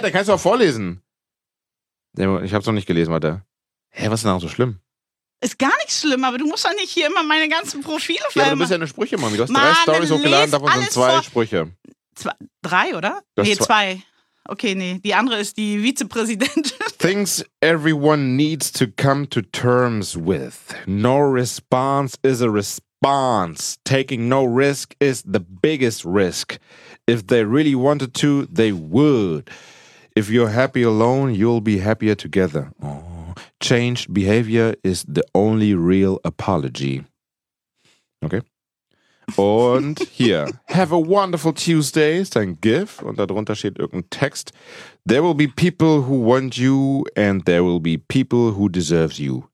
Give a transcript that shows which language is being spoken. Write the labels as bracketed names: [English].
[German] Dann kannst du auch vorlesen. Ich hab's noch nicht gelesen, warte. Hä, was ist denn auch so schlimm? Ist gar nicht schlimm, aber du musst doch nicht hier immer meine ganzen Profile filmen. Ja, aber du bist ja eine Sprüche, Mami. Du hast drei Storys hochgeladen, davon sind zwei Sprüche. Drei, oder? Nee, zwei. Okay, nee. Die andere ist die Vizepräsidentin. [English] Things everyone needs to come to terms with. No response is a response. Taking no risk is the biggest risk. If they really wanted to, they would. If you're happy alone, you'll be happier together. Oh. Changed behavior is the only real apology. [German] Okay. Und hier. [English] Have a wonderful Tuesday [German] ist ein GIF und darunter steht irgendein Text. [English] There will be people who want you and there will be people who deserve you.